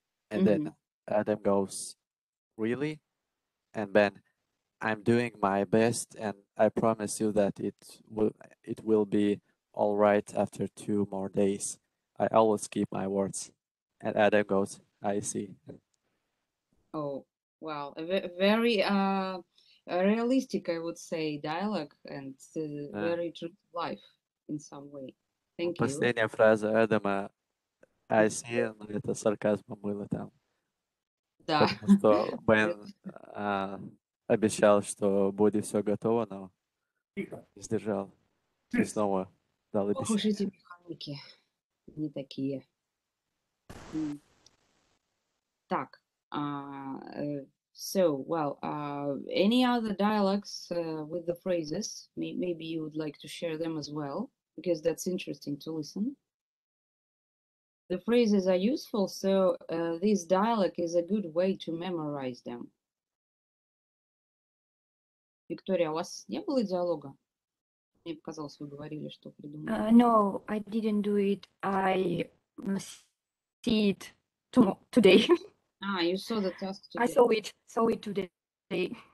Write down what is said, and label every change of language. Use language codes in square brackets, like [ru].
[en] And then Adam goes, really? And Ben, I'm doing my best, and I promise you that it will be all right after two more days. I always keep my words. And Adam goes, I see. Oh, wow. Very realistic, I would say, dialogue, and very true to life in some way. Thank you. [ru] Последняя фраза Адама, [en] I see, [ru] но это сарказмом было там. Да. Потому что Бен обещал, что будет все готово, но не сдержал. И снова дал обещание. Ох уж эти механики. Не такие. Так. [en] Any other dialogues with the phrases? Maybe you would like to share them as well, because that's interesting to listen. The phrases are useful, so this dialogue is a good way to memorize them. [ru] Виктория, у вас не было диалога? Мне показалось, вы говорили, что придумали. [en] No, I didn't do it. I see it today. Ah, you saw the task today. I saw it today.